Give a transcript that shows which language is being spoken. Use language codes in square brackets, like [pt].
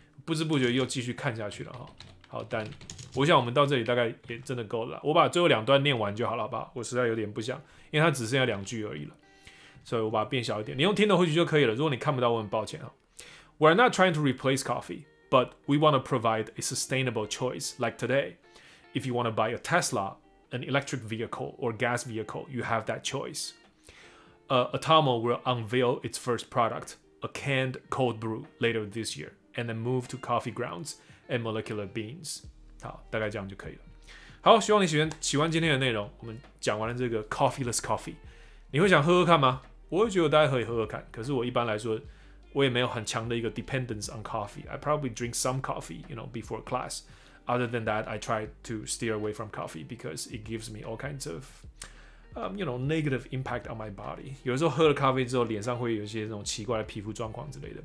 [zh] 不知不觉又继续看下去了、哦。好但我想我们到这里大概也真的够了。我把最后两段念完就好了好不好我实在有点不想。因为它只剩下两句而已了，所以我把它变小一点。你用听的或许就可以了。如果你看不到，我很抱歉啊。 [en] We're not trying to replace coffee, but we want to provide a sustainable choice. Like today, if you want to buy a Tesla, an electric vehicle or gas vehicle, you have that choice. Atomo will unveil its first product, a canned cold brew, later this year, and then move to coffee grounds and molecular beans. [zh] 好，大概这样就可以了。好，希望你喜欢今天的内容。我们讲完了这个 coffeeless coffee， 你会想喝喝看吗？我会觉得大家可以喝喝看。可是我一般来说，我也没有很强的一个 [en] dependence on coffee。 I probably drink some coffee, you know, before class. Other than that, I try to steer away from coffee because it gives me all kinds of you know, negative impact on my body. [zh] 有的时候喝了咖啡之后，脸上会有一些那种奇怪的皮肤状况之类的。